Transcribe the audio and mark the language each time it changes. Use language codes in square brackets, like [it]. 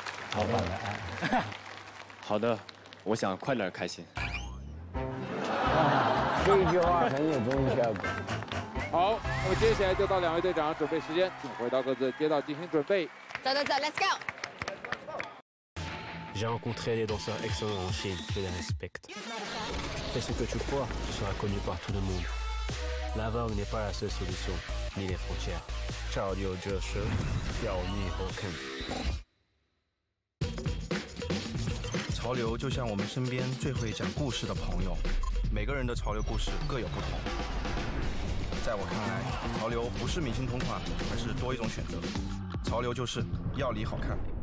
[zh] 好吧。好的，我想快点开心。这句话很有综艺效果。好，那么接下来就到两位队长准备时间，请回到各自街道进行准备。 [en] 走 ，Let's go。 [fr] J'ai rencontré des danseurs excellents en Chine, je les respecte. Fais ce que tu crois, tu seras connu par tout le monde. La vogue n'est pas la seule solution, ni les frontières. Ciao, Liu Jiushi, Yao Ni Hoken. [zh] 潮流就像我们身边最会讲故事的朋友，每个人的潮流故事各有不同。在我看来，潮流不是明星同款，而是多一种选择。潮流就是要你好看。